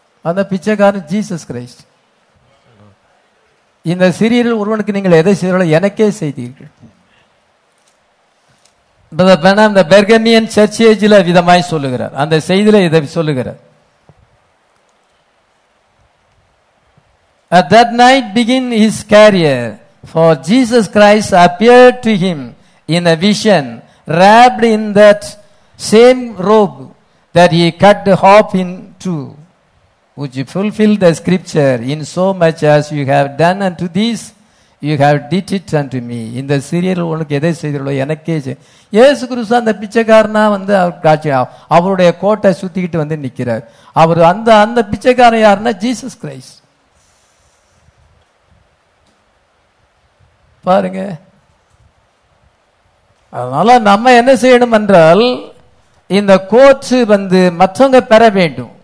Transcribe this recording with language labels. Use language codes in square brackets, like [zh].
[ta] அந்த பிச்சைக்காரன் Jesus Christ. இந்த சிறியரில் ஒருவனுக்கு நீங்கள் எதை செய்தாலும் எனக்கே செய்தீர்கள். இந்த பெர்கமியன் சர்ச் ஏஜ்ல விதமாய் சொல்லுகிறார், அந்த செய்தியில இதை சொல்லுகிறார். [en] At that night begin his career, for Jesus Christ appeared to him in a vision, wrapped in that same robe that he cut the harp in two. Would you fulfill the scripture, in so much as you have done unto this, you have did it unto me. [ta] In the serial, உனக்கு எதை செய்தோ எனக்கே. இயேசு கிறிஸ்து அந்த பிச்சைக்காரனா வந்து அவர் காட்சி, அவருடைய கோட்டை சுத்திக்கிட்டு வந்து நிற்கிறார். அவர் அந்த அந்த பிச்சைக்காரன் யாருன்னா ஜீசஸ் கிரைஸ்ட். பாருங்க, அதனால நம்ம என்ன செய்யணும் என்றால், இந்த கோட்டு வந்து மற்றவங்க பெற வேண்டும்.